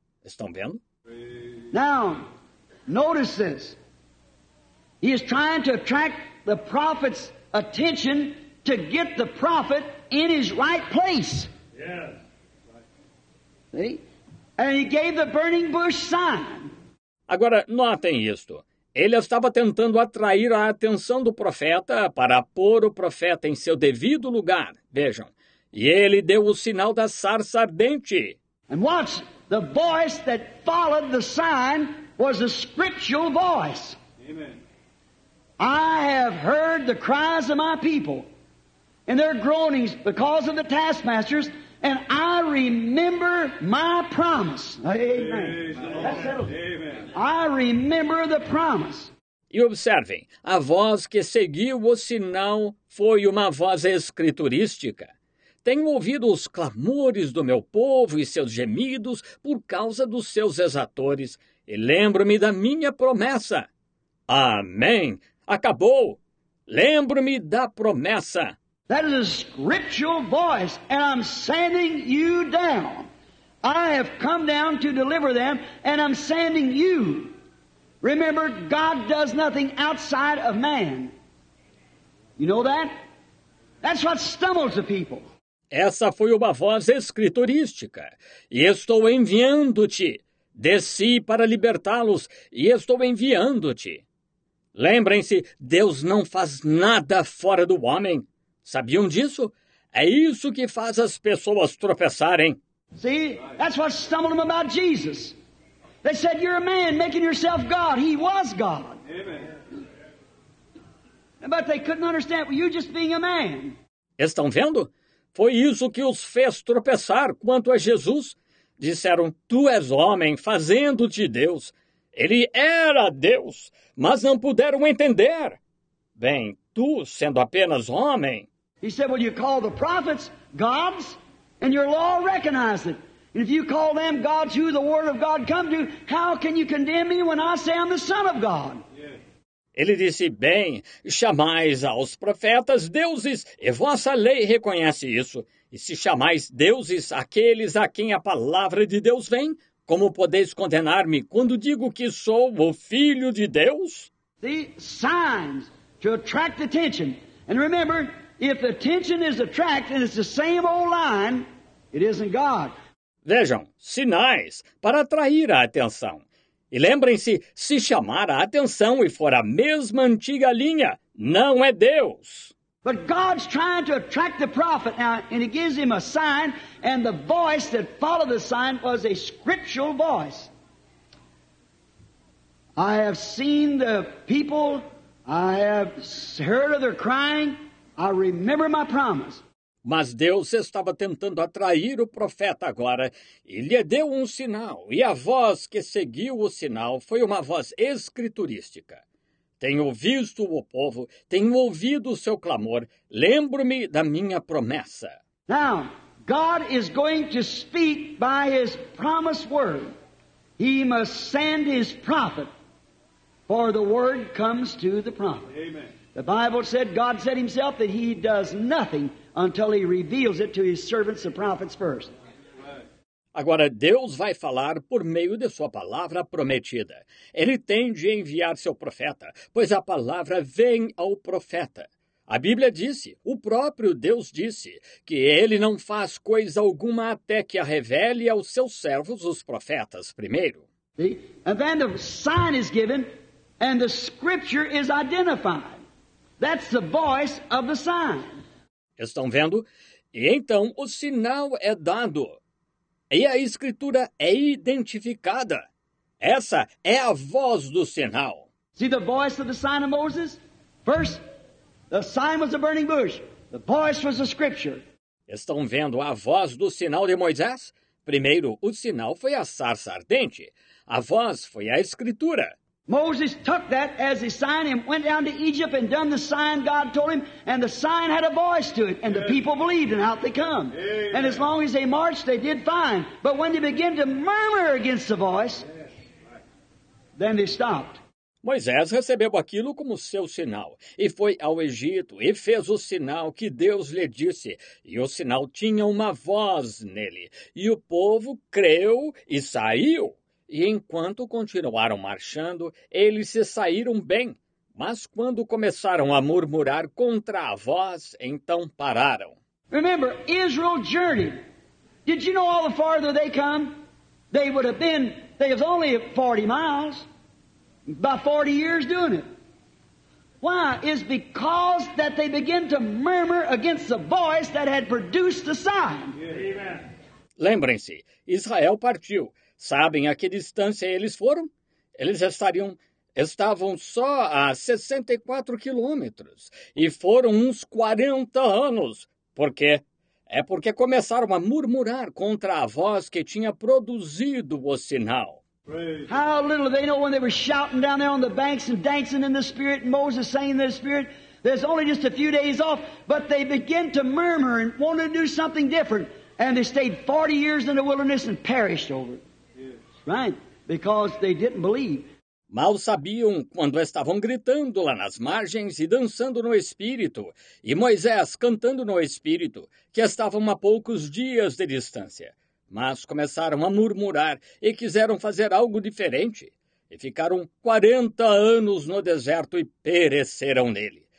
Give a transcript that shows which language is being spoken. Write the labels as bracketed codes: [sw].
[pt] Estão vendo? [en] Now, notice this. He is trying to attract the prophet's attention to get the prophet in his right place. Yes. See? And he gave the burning bush sign. [pt] Agora, notem isto. Ele estava tentando atrair a atenção do profeta para pôr o profeta em seu devido lugar. Vejam. E ele deu o sinal da sarça ardente. [en] And watch, the voice that followed the sign was a scriptural voice. Amen. I have heard the cries of my people and their groanings because of the taskmasters, and I remember my promise. Amen. Amen. I remember the promise. [pt] E observem, a voz que seguiu o sinal foi uma voz escriturística. Tenho ouvido os clamores do meu povo e seus gemidos por causa dos seus exatores, e lembro-me da minha promessa. Amém. Acabou. Lembro-me da promessa. [en] That is a scriptural voice, and I'm sending you down. I have come down to deliver them, and I'm sending you. Remember, God does nothing outside of man. You know that? That's what stumbles the people. [pt] Essa foi uma voz escriturística. E estou enviando-te. Desci para libertá-los, e estou enviando-te. Lembrem-se, Deus não faz nada fora do homem. Sabiam disso? É isso que faz as pessoas tropeçarem. [en] See, that's what stumbled them about Jesus. They said, you're a man making yourself God. He was God. Amen. But they couldn't understand you just being a man. [pt] Estão vendo? Foi isso que os fez tropeçar quanto a Jesus. Disseram, tu és homem fazendo-te Deus. Ele era Deus, mas não puderam entender. Bem, tu, sendo apenas homem... [en] He said, well, you call the prophets gods, and your law recognizes it. And if you call them gods who the word of God come to, how can you condemn me when I say I'm the son of God? Yeah. [pt] Ele disse, bem, chamais aos profetas deuses, e vossa lei reconhece isso. E se chamais deuses aqueles a quem a palavra de Deus vem... Como podeis condenar-me quando digo que sou o Filho de Deus? [en] See, signs to attract attention. And remember, if attention is attracted and it's the same old line, it isn't God. [pt] Vejam, sinais para atrair a atenção. E lembrem-se, se chamar a atenção e for a mesma antiga linha, não é Deus. [en] But God's trying to attract the prophet now, and he gives him a sign, and the voice that followed the sign was a scriptural voice. I have seen the people, I have heard of their crying, I remember my promise. [pt] Mas Deus estava tentando atrair o profeta agora, e lhe deu um sinal, e a voz que seguiu o sinal foi uma voz escriturística. Tenho visto o povo, tenho ouvido o seu clamor, lembro-me da minha promessa. [en] Now, God is going to speak by his promised word. He must send his prophet, for the word comes to the prophet. Amen. The Bible said, God said himself that he does nothing until he reveals it to his servants, the prophets first. [pt] Agora, Deus vai falar por meio de sua palavra prometida. Ele tem de enviar seu profeta, pois a palavra vem ao profeta. A Bíblia disse, o próprio Deus disse, que ele não faz coisa alguma até que a revele aos seus servos, os profetas, primeiro. [en] And then the sign is given, and the scripture is identified. That's the voice of the sign. [pt] Estão vendo? E então o sinal é dado. E a escritura é identificada. Essa é a voz do sinal. [en] See the voice of the sign of Moses? First, the sign was a burning bush. The voice was the scripture. [pt] Estão vendo a voz do sinal de Moisés? Primeiro, o sinal foi a sarça ardente. A voz foi a escritura. [en] Moses took that as a sign and went down to Egypt and done the sign God told him, and the sign had a voice to it, and the people believed, and out they come. And as long as they marched, they did fine. But when they began to murmur against the voice, then they stopped. [pt] Moisés recebeu aquilo como seu sinal, e foi ao Egito, e fez o sinal que Deus lhe disse, e o sinal tinha uma voz nele, e o povo creu e saiu. E enquanto continuaram marchando, eles se saíram bem. Mas quando começaram a murmurar contra a voz, então pararam. [en] Remember, Israel journeyed. Did you know all the farther they come? They would have been, they was only 40 miles, by 40 years doing it. Why? It's because that they began to murmur against the voice that had produced the sign. Amen. [pt] Lembrem-se, Israel partiu. Sabem a que distância eles foram? Eles estavam só a 64 quilômetros e foram uns 40 anos. Por quê? É porque começaram a murmurar contra a voz que tinha produzido o sinal. [en] How little they know when they were shouting down there on the banks and dancing in the Spirit, and Moses saying in the Spirit, there's only just a few days off, but they begin to murmur and want to do something different. And they stayed 40 years in the wilderness and perished over it. Right? Because they didn't believe. [pt] Mal sabiam quando estavam gritando lá nas margens e dançando no Espírito, e Moisés cantando no Espírito, que estavam a poucos dias de distância. Mas começaram a murmurar e quiseram fazer algo diferente. E ficaram 40 anos no deserto e pereceram nele.